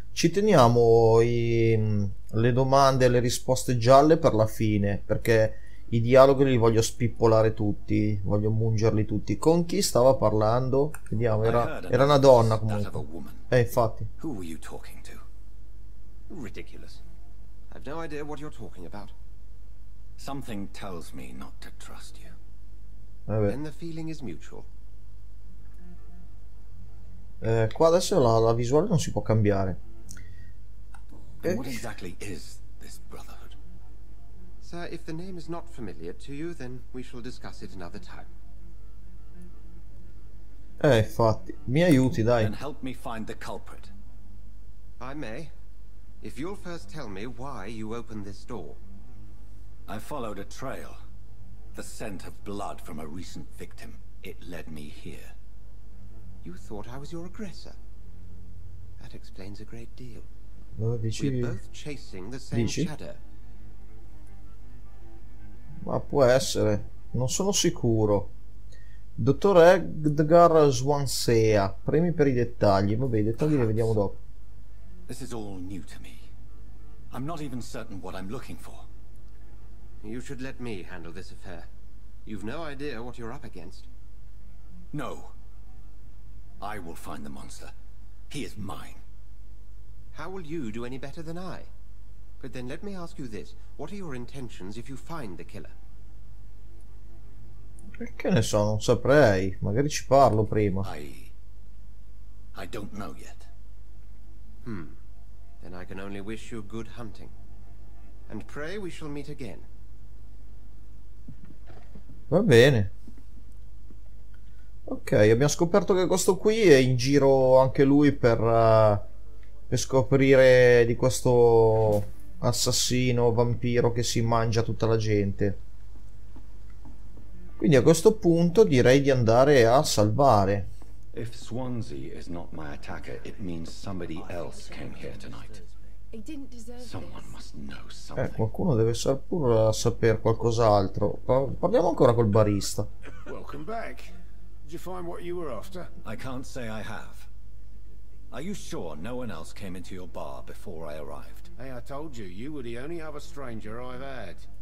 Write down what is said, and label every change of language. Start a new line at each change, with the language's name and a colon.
Italian: Ci teniamo le domande e le risposte gialle per la fine, perché i dialoghi li voglio spippolare tutti, voglio mungerli tutti. Con chi stava parlando? Vediamo, era una donna comunque. Infatti.
English: Who were you talking to? Ridiculous. I've no idea what you're talking about. Something tells me not to trust you.
Italian: Vabbè.
English: Then the feeling is mutual.
Italian: Qua adesso la visuale non si può cambiare.
English: What exactly is this brotherhood? Sir, if the name is not familiar to you, then we shall discuss it another time.
Italian: Infatti, mi aiuti, dai.
English: Then help me find the culprit. I may. If you'll first tell me why you opened this door. I followed a trail. The scent of blood from a recent victim. It led me here. You thought I was your aggressor. That explains a great deal.
Italian: Dici...
English: We're both chasing the same shadow.
Italian: Ma può essere, non sono sicuro. Dottor Edgar Swansea, premi per i dettagli. Vabbè, i dettagli li vediamo dopo.
English: This is all new to me. I'm not even certain what I'm looking for. You should let me handle this affair. You've no idea what you're up against. No. I will find the monster. He is mine. How will you do any better than I? But then let me ask you this. What are your intentions if you find the killer?
Italian: Che ne so, non saprei. Magari ci parlo prima.
English: I don't know yet. Hmm. Then I can only wish you good hunting. And pray we shall meet again.
Italian: Va bene. Ok, abbiamo scoperto che questo qui è in giro anche lui per scoprire di questo assassino vampiro che si mangia tutta la gente. Quindi a questo punto direi di andare a salvare.
English: If Swansea is not my attacker, it means somebody else came here tonight. He didn't deserve. Someone must know something.
Italian: Qualcuno deve sapere qualcos'altro. Parliamo ancora col barista.
English: Welcome back. Did you find what you were after? I can't say I have. Are you sure no one else came into your bar before I arrived? Hey, I told you, you were the only other stranger I've had.